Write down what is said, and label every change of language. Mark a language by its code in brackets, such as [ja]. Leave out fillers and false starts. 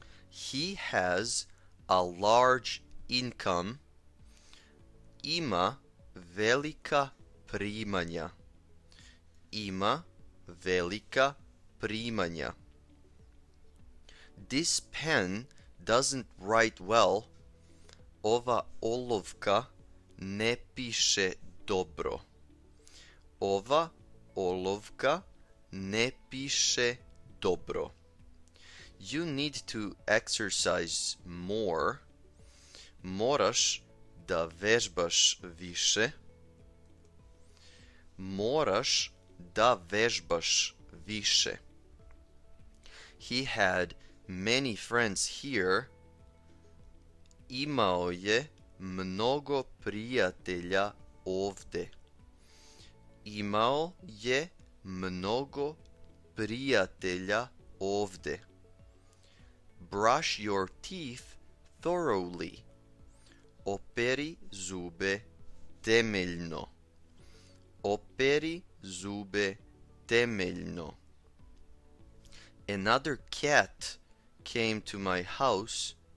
[en] He has a large income. [sr] Ima velika primanja. Ima velika Primanya. [en] This pen doesn't write well. [sr] Ova olovka ne piše dobro. Ova olovka ne piše dobro. [en] You need to exercise more. [sr] Moraš da vežbaš više. Moraš da vežbaš više. [en] He had many friends here. [sr] Imao je mnogo prijatelja ovde. Imao je mnogo prijatelja ovde. [en] Brush your teeth thoroughly. [sr] Operi zube temeljno. Operi zube temeljno. [en] Another cat came to my house.